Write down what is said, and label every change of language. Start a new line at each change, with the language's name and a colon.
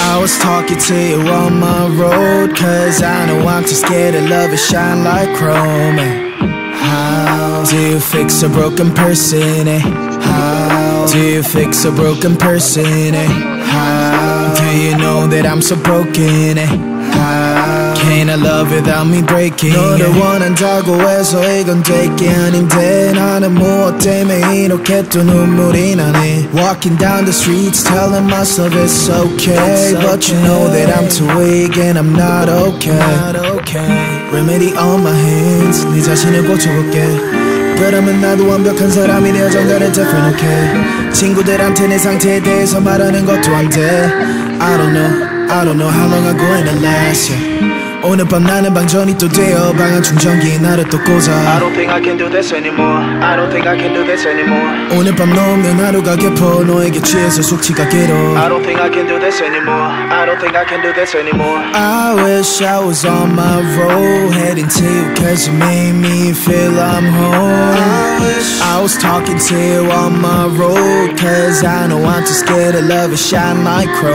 English: I was talking to you on my road, cause I know I'm too scared of love and shine like chrome. How do you fix a broken person, eh? How do you fix a broken person, eh? How do you know that I'm so broken, eh? How can I love without me breaking?
Korean: 너를 원한다고 해서 이건 되게 아닌데 나는 무엇 때문에 이렇게 또 눈물이 나네.
English: Walking down the streets telling myself it's okay, it's okay. But you know that I'm too weak and I'm not okay, not okay. Remedy on my hands,
Korean: 네 자신을 고쳐볼게. 그러면 나도 완벽한 사람이 되어 정가를 덮어놓게. 친구들한테 내 상태에 대해서 말하는 것도 안 돼.
English: I don't know how long I'm gonna last, yeah.
Korean: 오늘 밤 나는 방전이 또 되어 방안 충전기 나를 또 꽂아.
English: I don't think I can do this anymore, I don't think I can do this anymore.
Korean: 오늘 밤 넘는 하루가 깊어 너에게 취해서 숙취가 길어.
English: I don't think I can do this anymore, I don't think I can do this anymore. I wish I was on my road, heading to you cause you made me feel I'm home. I wish I was talking to you on my road, cause I know I'm too scared of love and shine like chrome.